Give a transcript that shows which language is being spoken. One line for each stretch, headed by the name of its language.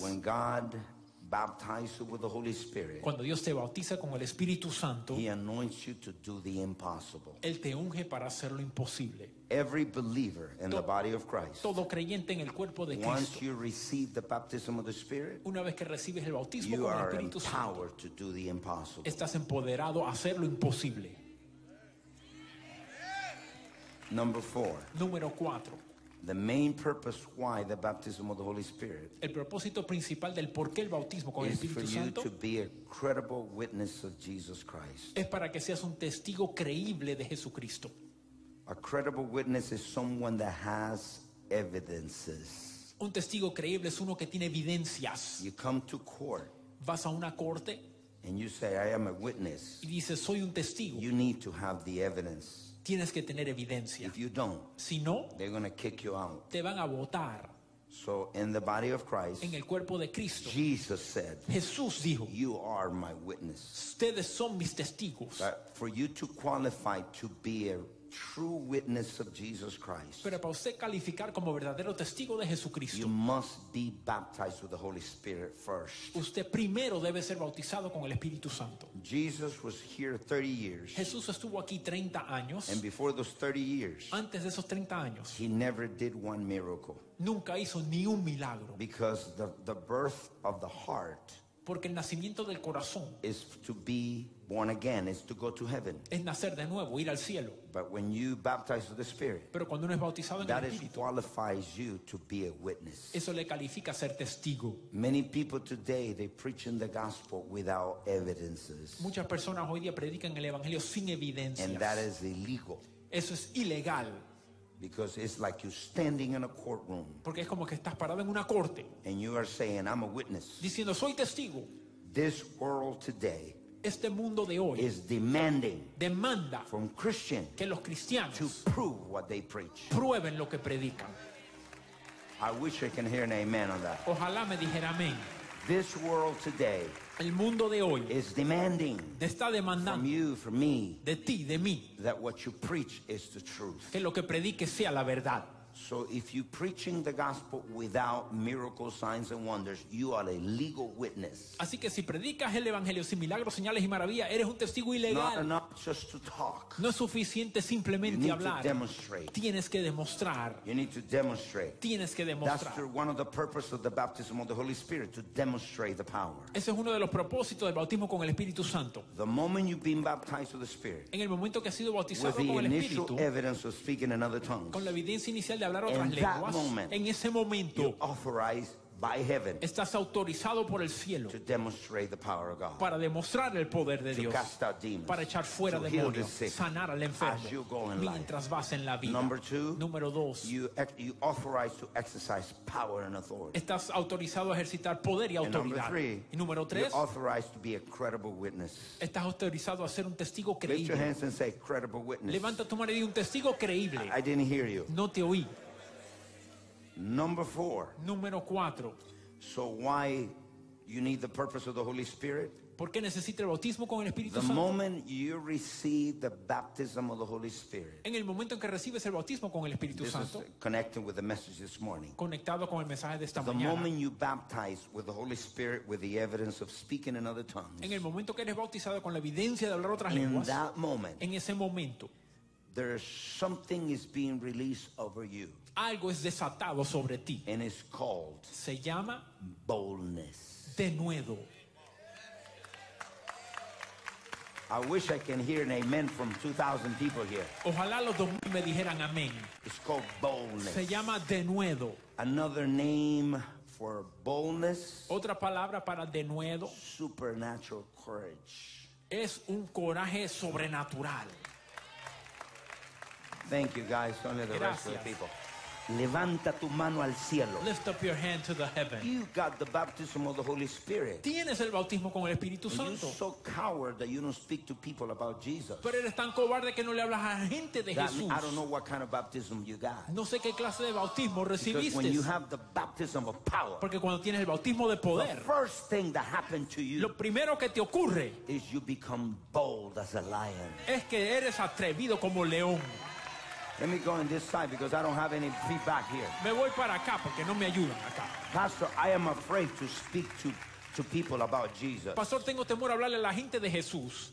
English: When God baptizes you with the Holy Spirit.
Spanish: Cuando Dios te bautiza con el Espíritu Santo.
English: He anoints you to do the impossible.
Spanish: Él te unge para hacer lo imposible.
English: Every believer in the body of Christ.
Spanish: Todo creyente en el cuerpo de Cristo.
English: Once you receive the baptism of the Spirit.
Spanish: Una vez que recibes el bautismo con el Espíritu Santo.
English: You are empowered to do the impossible.
Spanish: Estás empoderado a hacer lo imposible.
English: Number four.
Spanish: Número cuatro.
English: The main purpose why the baptism of the Holy Spirit.
Spanish: El propósito principal del por qué el bautismo con el Espíritu Santo.
English: Is for you to be a credible witness of Jesus Christ.
Spanish: Es para que seas un testigo creíble de Jesucristo.
English: A credible witness is someone that has evidences.
Spanish: Un testigo creíble es uno que tiene evidencias.
English: You come to court.
Spanish: Vas a una corte.
English: And you say, I am a witness.
Spanish: Y dices, soy un testigo.
English: You need to have the evidence.
Spanish: Tienes que tener evidencia.
English: If you don't,
Spanish: si no,
English: they're gonna kick you out.
Spanish: Te van a botar.
English: So in the body of Christ,
Spanish: en el cuerpo de Cristo,
English: Jesus said,
Spanish: Jesús dijo,
English: you are my witness.
Spanish: Ustedes son mis testigos.
English: But for you to qualify to be a true witness of Jesus Christ.
Spanish: Pero para usted calificar como verdadero testigo de Jesucristo.
English: You must be baptized with the Holy Spirit first.
Spanish: Usted primero debe ser bautizado con el Espíritu Santo.
English: Jesus was here 30 years.
Spanish: Jesús estuvo aquí 30 años.
English: And before those 30 years.
Spanish: Antes de esos 30 años.
English: He never did one miracle.
Spanish: Nunca hizo ni un milagro.
English: Because the birth of the heart.
Spanish: Porque el nacimiento del corazón
English: is to be born again, is to go to heaven.
Spanish: Es nacer de nuevo, ir al cielo.
English: But when you baptize with the Spirit,
Spanish: pero cuando uno es bautizado en el Espíritu,
English: that qualifies you to be a witness.
Spanish: Eso le califica ser testigo.
English: Many people today they preach in the gospel without evidences.
Spanish: Muchas personas hoy día predican el evangelio sin evidencias.
English: And that is illegal.
Spanish: Eso es ilegal.
English: Because it's like you're standing in a courtroom.
Spanish: Porque es como que estás parado en una corte.
English: And you are saying, I'm a witness.
Spanish: Diciendo, soy testigo.
English: This world today.
Spanish: Este mundo de hoy.
English: Is demanding.
Spanish: Demanda.
English: From Christians.
Spanish: Que los cristianos.
English: To prove what they preach.
Spanish: Prueben lo que predican.
English: I wish I can hear an amen on that.
Spanish: Ojalá me dijera amén.
English: This world today.
Spanish: El mundo de hoy
English: is demanding
Spanish: está demandando
English: from you, from me,
Spanish: de ti, de mí,
English: that what you preach is the truth.
Spanish: Que lo que prediques sea la verdad.
English: So if you're preaching the gospel without miracles, signs and wonders, you are a legal witness.
Spanish: Así que si predicas el evangelio sin milagros, señales y maravillas, eres un testigo ilegal.
English: Not enough just to talk.
Spanish: No es suficiente simplemente hablar.
English: You need to demonstrate.
Spanish: Tienes que demostrar.
English: You need to demonstrate.
Spanish: Tienes que demostrar.
English: That's one of the purposes of the baptism of the Holy Spirit, to demonstrate the power.
Spanish: Ese es uno de los propósitos del bautismo con el Espíritu Santo.
English: The moment you've been baptized with the Spirit.
Spanish: En el momento que has sido bautizado con el Espíritu.
English: With the initial evidence of speaking in other tongues.
Spanish: Con la evidencia inicial de hablar otras
English: in
Spanish: lenguas,
English: that moment,
Spanish: en ese momento
English: authorized by heaven,
Spanish: estás autorizado por el cielo
English: to demonstrate the power of God,
Spanish: para demostrar el poder de
English: to
Spanish: Dios
English: cast out demons,
Spanish: para echar fuera
English: to
Spanish: demonios
English: heal the sick,
Spanish: sanar al enfermo
English: as you go in
Spanish: mientras
English: life.
Spanish: Vas en la vida.
English: Number two,
Spanish: número dos,
English: you authorized to exercise power and authority.
Spanish: Estás autorizado a ejercitar poder y autoridad.
English: Number three,
Spanish: y número tres,
English: you're authorized to be a credible witness.
Spanish: Estás autorizado a ser un testigo creíble.
English: Lift your hands and say, credible witness.
Spanish: Levanta tu mano y di un testigo creíble.
English: I didn't hear you.
Spanish: No te oí.
English: Number four.
Spanish: Número cuatro.
English: So why you need the purpose of the Holy Spirit?
Spanish: ¿Por qué necesita el bautismo con el Espíritu Santo?
English: The moment you receive the baptism of the Holy Spirit.
Spanish: En el momento en que recibes el bautismo con el Espíritu Santo.
English: This is connected with the message this morning.
Spanish: Conectado con el mensaje de esta mañana.
English: The moment you baptize with the Holy Spirit with the evidence of speaking in other tongues.
Spanish: En el momento que eres bautizado con la evidencia de hablar otras lenguas.
English: In that moment.
Spanish: En ese momento.
English: There is something is being released over you.
Spanish: Algo es desatado sobre ti.
English: And it's called.
Spanish: Se llama.
English: Boldness.
Spanish: Denuedo.
English: I wish I can hear an amen from 2,000 people here.
Spanish: Ojalá los 2,000 me dijeran amén.
English: It's called boldness.
Spanish: Se llama denuedo.
English: Another name for boldness.
Spanish: Otra palabra para denuedo.
English: Supernatural courage.
Spanish: Es un coraje sobrenatural.
English: Thank you, guys. Only the
Spanish: gracias.
English: Rest of the people.
Spanish: Levanta tu mano al cielo.
English: Lift up your hand to the heaven. You got the baptism of the Holy Spirit.
Spanish: Tienes el bautismo con el Espíritu Santo.
English: You're so coward that you don't speak to people about Jesus.
Spanish: Pero eres tan cobarde que no le hablas a la gente de
English: that
Spanish: Jesús.
English: I don't know what kind of baptism you got.
Spanish: No sé qué clase de bautismo recibiste.
English: Because when you have the baptism of power,
Spanish: porque cuando tienes el bautismo de poder,
English: the first thing that happened to you,
Spanish: lo primero que te ocurre,
English: is you become bold as a lion.
Spanish: Es que eres atrevido como león.
English: Let me go on this side because I don't have any feedback here.
Spanish: Me voy para acá porque no me ayudan acá.
English: Pastor, I am afraid to speak to people about Jesus.
Spanish: Pastor, tengo temor a hablarle a la gente de Jesús.